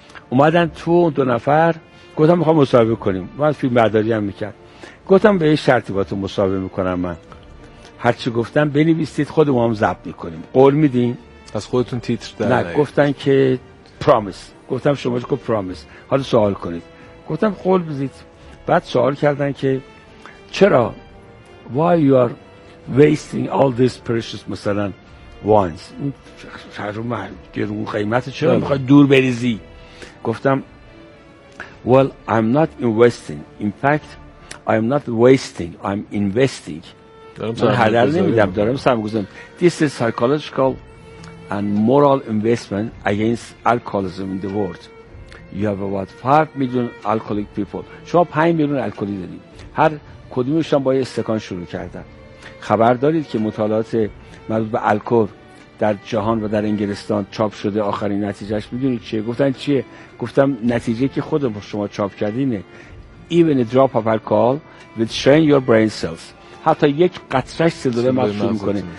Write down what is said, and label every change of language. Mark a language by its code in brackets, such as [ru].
[fa] اومدن تو دو نفر، گفتم میخوام مصاحبه کنیم، من فیلم برداری هم میکرد. گفتم به یه شرطی با تو مصاحبه میکنم، من هرچی گفتم بنویسید خودمون هم ضبط میکنیم، قول میدین؟ از خودتون تیتر در نه نایت. گفتن که پرامیس. گفتم شما چه پرامیس؟ حالا سوال کنید. گفتم قول بزید. بعد سوال کردن که چرا [en] why you are wasting all this precious [fa] مثلا وانس، چرا اون قیمت چرا میخواید دور بریزی؟ گفتم [en] well I'm not investing, in fact I'm not wasting, I'm investing. [fa] من هدر نمیدم، دارم سرمگذارم. [en] This is psychological and moral investment against alcoholism in the world. You have about 5 million alcoholic people. [fa] شما 5 میلیون الکلی دارید، هر کدومشون با یه استکان شروع کردن. خبر دارید که مطالعات مربوط به الکل در جهان و در انگلستان چاپ شده، آخرین نتیجهش میدونید چیه؟ گفتن چیه؟ گفتم نتیجه که خود شما چاپ کردینه، [en] even a drop of alcohol will train your brain cells، [fa] حتی یک قطرش سلوله مفتوح میکنه.